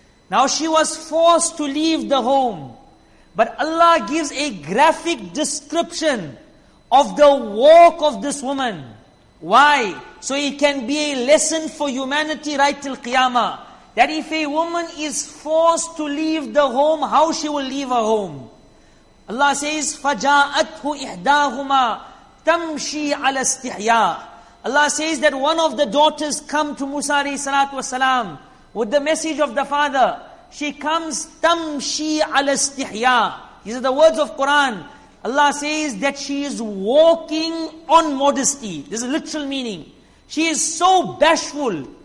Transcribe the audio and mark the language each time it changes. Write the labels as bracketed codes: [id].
[en] Now she was forced to leave the home. But Allah gives a graphic description of the walk of this woman. Why? So it can be a lesson for humanity right till Qiyamah. That if a woman is forced to leave the home, how she will leave her home? [ar] Allah says, فَجَاءَتْهُ إِحْدَاهُمَا تَمْشِي عَلَى اسْتِحْيَا. [en] Allah says that one of the daughters come to Musa alayhi salatu wasalam with the message of the father. She comes, tamshi ala istihya. These are the words of Quran. Allah says that she is walking on modesty. This is a literal meaning. She is so bashful.